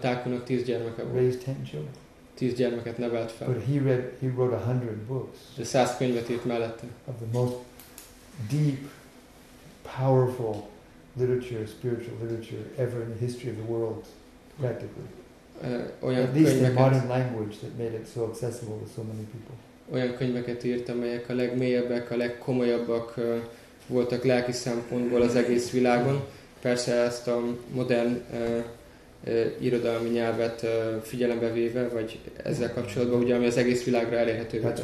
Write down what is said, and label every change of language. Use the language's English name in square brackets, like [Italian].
[Hungarian] Thakurnak 10 gyermeke volt. 10 gyermeket nevelt fel. [English] But he wrote 100 books. [Hungarian] De 100 könyvet írt mellette. [English] Of the most deep, powerful literature, spiritual literature ever in the history of the world, practically. [Hungarian] Olyan [English] at least in modern language that made it so accessible to so many people. [Hungarian] Olyan könyveket írt, amelyek a legmélyebbek, a legkomolyabbak voltak lelki szempontból az egész világon. Persze ezt a modern irodalmi nyelvet figyelembe véve, vagy ezzel kapcsolatban, ugye, ami az egész világra elérhető.